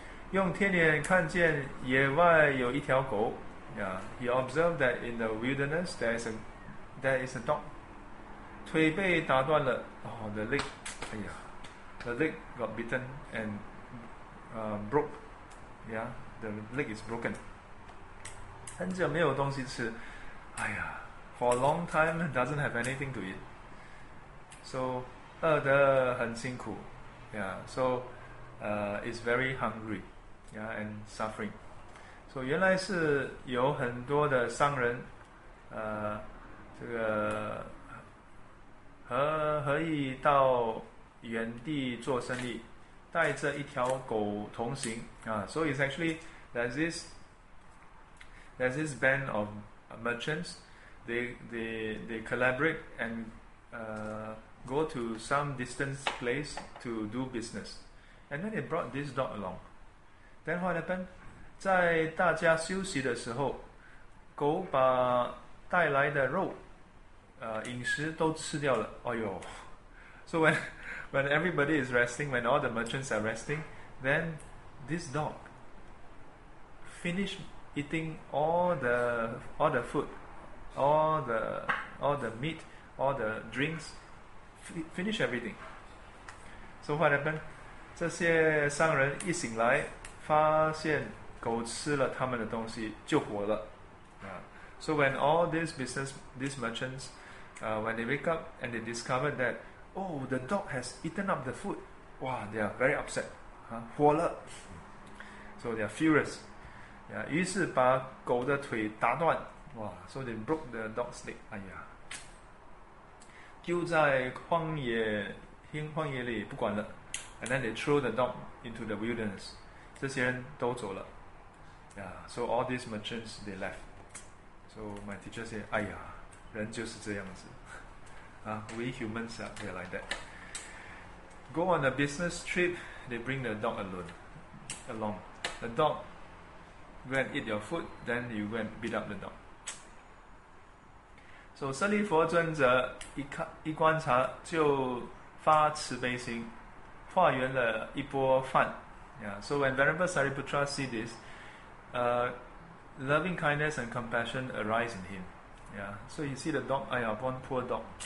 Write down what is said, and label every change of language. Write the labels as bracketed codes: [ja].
[zh] 用天眼看见野外有一条狗. [en] Yeah, he observed that in the wilderness there is a dog. [zh] 腿被打断了. [en] Oh, the leg. Yeah. The leg got bitten and broke. Yeah, the leg is broken. [zh] 很久没有东西吃. [en] Aiya, for a long time doesn't have anything to eat. So [zh] 饿得很辛苦. [en] Yeah, so it's very hungry. Yeah, and suffering. [zh] So 原来是有很多的商人, 这个何以到 原地做生意, 带着一条狗同行. [en] So it's actually there's this band of merchants. They collaborate and go to some distance place to do business. And then they brought this dog along. Then what happened? [zh] 在大家休息的时候, 狗把带来的肉, 饮食都吃掉了. 哎哟. [en] So when everybody is resting, when all the merchants are resting, then this dog finished eating all the food, all the meat, all the drinks, finish everything. So what happened? [zh] 这些商人一醒来，发现狗吃了他们的东西，就火了。So [en] when all these business, these merchants, when they wake up and they discover that, oh, the dog has eaten up the food, wow, they are very upset, [zh] 火了。 [en] So they are furious. Yeah, [zh] 于是把狗的腿打断，so [en] they broke the dog's leg. [zh] 丢在荒野里不管了。And [en] then they threw the dog into the wilderness. [zh] 这些人都走了。So [en] all these merchants, they left. So my teacher said, [zh] 人就是这样子。 [en] We humans are like that. Go on a business trip, they bring the dog alone, along. The dog go and eat your food, then you go and beat up the dog. [zh] So 舍利弗尊者一观察就发慈悲心，化缘了一波饭. [en] Yeah, so when Venerable Sariputra see this, loving kindness and compassion arise in him. Yeah, so he see the dog, one poor dog.